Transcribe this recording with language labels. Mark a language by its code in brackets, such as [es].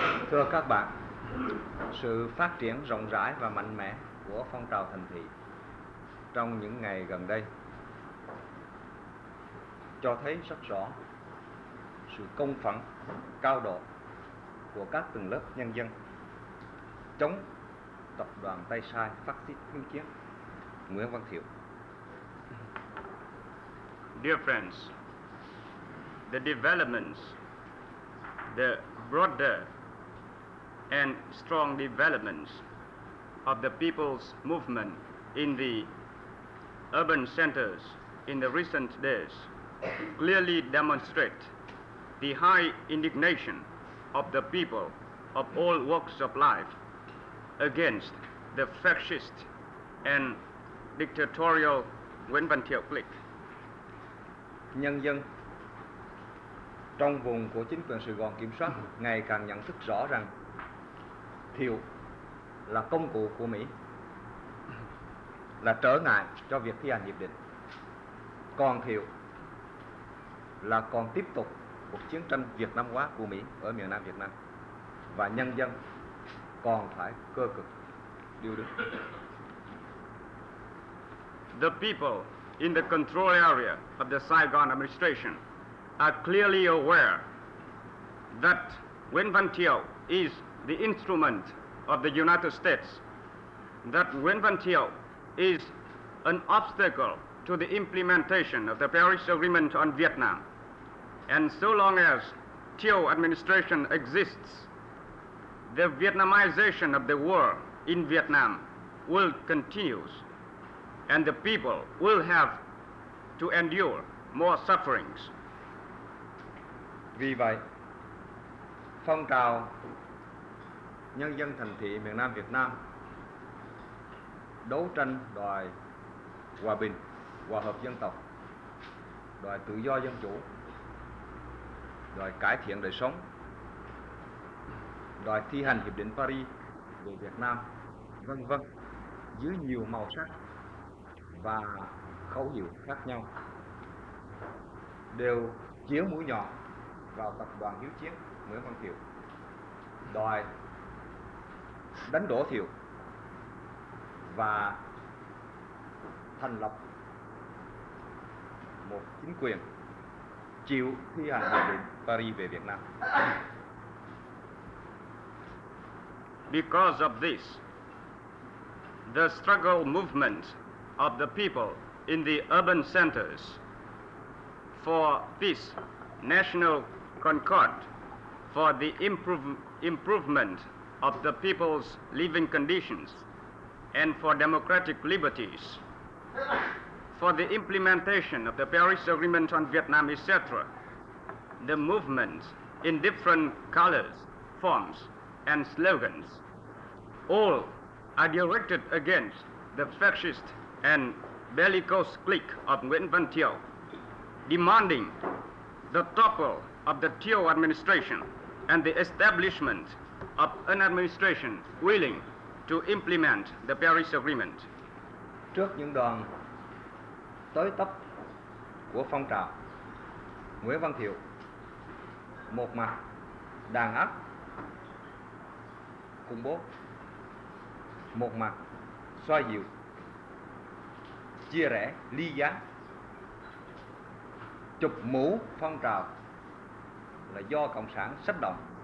[vi] Thưa các bạn, sự phát triển rộng rãi và mạnh mẽ của phong trào thành thị trong những ngày gần đây cho thấy rất rõ sự công phẫn cao độ của các tầng lớp nhân dân chống tập đoàn tay sai phát xít hưng chiến Nguyễn Văn Thiệu. [en] Dear friends, the developments, the broader and strong developments of the people's movement in the urban centers in the recent days clearly demonstrate the high indignation of the people of all walks of life against the fascist and dictatorial Nguyễn Văn Thiệu clique. [vi] Nhân dân trong vùng của chính quyền Sài Gòn kiểm soát ngày càng nhận thức rõ rằng Thiệu là công cụ của Mỹ, là trở ngại cho việc thi hành hiệp định. Còn Thiệu là còn tiếp tục cuộc chiến tranh Việt Nam hóa của Mỹ ở miền Nam Việt Nam. Và nhân dân còn phải cơ cực điều đứng. [en] The people in the control area of the Saigon administration are clearly aware that Nguyễn Văn Thiệu is the instrument of the United States, that Nguyễn Văn Thiệu is an obstacle to the implementation of the Paris Agreement on Vietnam. And so long as Thiệu administration exists, the Vietnamization of the war in Vietnam will continue, and the people will have to endure more sufferings. [vi] Vì vậy, phong trào nhân dân thành thị miền Nam Việt Nam đấu tranh đòi hòa bình, hòa hợp dân tộc, đòi tự do dân chủ, đòi cải thiện đời sống, đòi thi hành hiệp định Paris về Việt Nam, vân vân, dưới nhiều màu sắc và khẩu hiệu khác nhau đều chĩa mũi nhọn vào tập đoàn hiếu chiến Nguyễn Văn Thiệu, đòi đánh đổ Thiệu và thành lập một chính quyền chịu thi hành hiệp định Paris về Việt Nam. [en] Because of this, the struggle movement of the people in the urban centers for peace, national concord, for the improvement of the people's living conditions and for democratic liberties, for the implementation of the Paris Agreement on Vietnam, etc., the movement in different colors, forms, and slogans, all are directed against the fascist and bellicose clique of Nguyễn Văn Thiệu, demanding the topple of the Thiệu administration and the establishment of an administration willing to implement the Paris Agreement. [vi] Trước những đoàn tới tấp của phong trào, Nguyễn Văn Thiệu một mặt đàn áp khủng bố, một mặt xoa dịu chia rẽ ly gián, chụp mũ phong trào là do cộng sản xách động,